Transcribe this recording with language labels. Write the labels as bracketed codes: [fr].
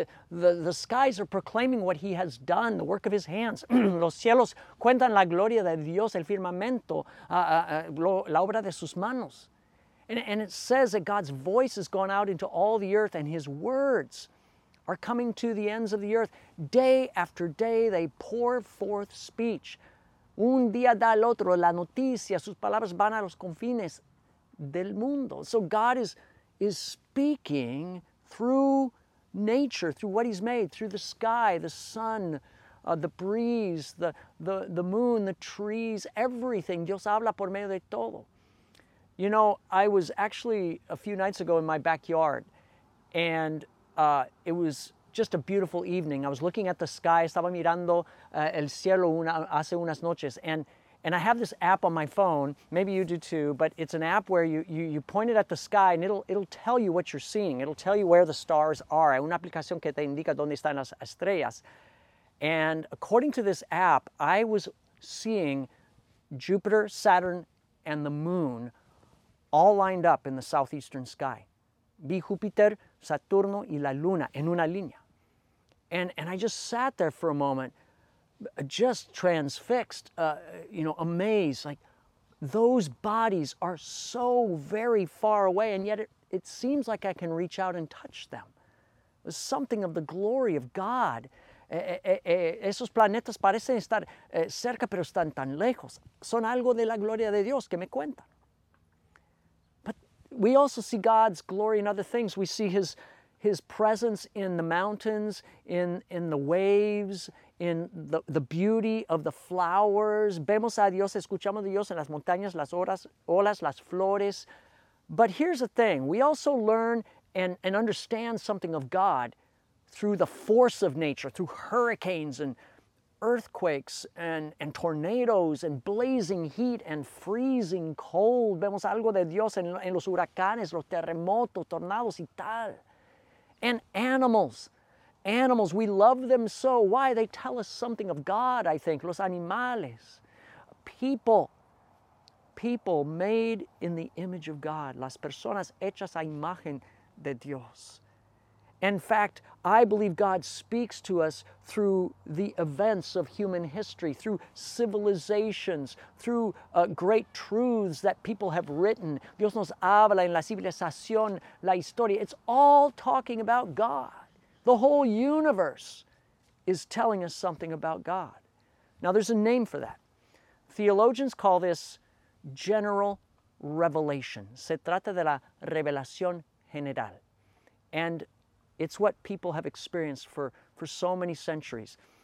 [en] The skies are proclaiming what He has done, the work of His hands. [es] Los cielos cuentan la gloria de Dios, el firmamento, la obra de sus manos. [en] And it says that God's voice has gone out into all the earth and His words are coming to the ends of the earth. Day after day, they pour forth speech. [es] Un día da al otro la noticia, sus palabras van a los confines del mundo. [en] So God is speaking through nature, through what He's made, through the sky, the sun, the breeze, the moon, the trees, everything. [es] Dios habla por medio de todo. [en] You know, I was actually a few nights ago in my backyard, and it was just a beautiful evening. I was looking at the sky. [es] Estaba mirando el cielo hace unas noches. [en] And I have this app on my phone. Maybe you do too, but it's an app where you point it at the sky and it'll tell you what you're seeing. It'll tell you where the stars are. [es] Una aplicación que te indica dónde están las estrellas. [en] And according to this app, I was seeing Jupiter, Saturn, and the moon all lined up in the southeastern sky. [es] Vi Júpiter, Saturno, y la luna en una línea. [en] And I just sat there for a moment, just transfixed, amazed, like those bodies are so very far away, and yet it seems like I can reach out and touch them. There's something of the glory of God. [es] Esos planetas parecen estar cerca, pero están tan lejos. Son algo de la gloria de Dios que me cuentan. [en] But we also see God's glory in other things. We see His presence in the mountains, in the waves, in the beauty of the flowers. [es] Vemos a Dios, escuchamos a Dios en las montañas, las olas, las flores. [en] But here's the thing. We also learn and understand something of God through the force of nature, through hurricanes and earthquakes and tornadoes and blazing heat and freezing cold. [es] Vemos algo de Dios en los huracanes, los terremotos, tornados y tal. [en] And animals. Animals, we love them so. Why? They tell us something of God, I think. [es] Los animales. [en] People. People made in the image of God. [es] Las personas hechas a imagen de Dios. [en] In fact, I believe God speaks to us through the events of human history, through civilizations, through great truths that people have written. [es] Dios nos habla en la civilización, la historia. [en] It's all talking about God. The whole universe is telling us something about God. Now, there's a name for that. Theologians call this general revelation. [es] Se trata de la revelación general. [en] And it's what people have experienced for so many centuries.